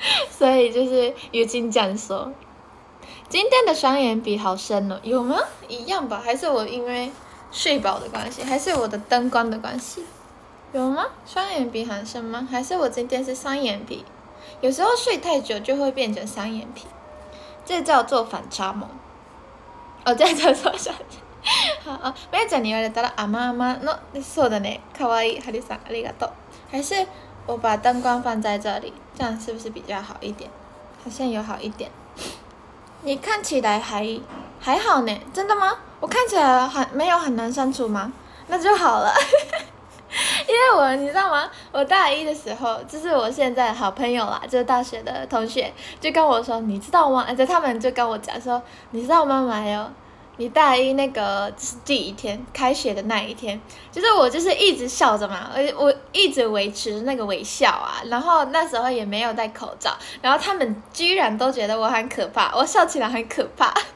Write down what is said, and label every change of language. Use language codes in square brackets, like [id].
[zh] 所以就是雨晴这样说，今天的双眼皮好深哦，有吗？一样吧，还是我因为。睡饱的关系，还是我的灯光的关系？有吗？双眼皮很深吗？还是我今天是双眼皮？有时候睡太久就会变成双眼皮，这叫做反差萌。哦，这叫做反差。 [ja] 好，麦ちゃんに言われたら甘々の。そうだね。可愛い、ハリさん、ありがとう。 [zh] 还是我把灯光放在这里，这样是不是比较好一点？好像有好一点。你看起来还好呢，真的吗？我看起来很没有很难相处吗？那就好了。因为我你知道吗，我大一的时候就是我现在的好朋友啦，就是大学的同学就跟我说，你知道吗，而且他们就跟我讲说，你知道吗，妈哟，你大一那个就是第一天开学的那一天，就是我就是一直笑着嘛，我一直维持那个微笑啊，然后那时候也没有戴口罩，然后他们居然都觉得我很可怕，我笑起来很可怕。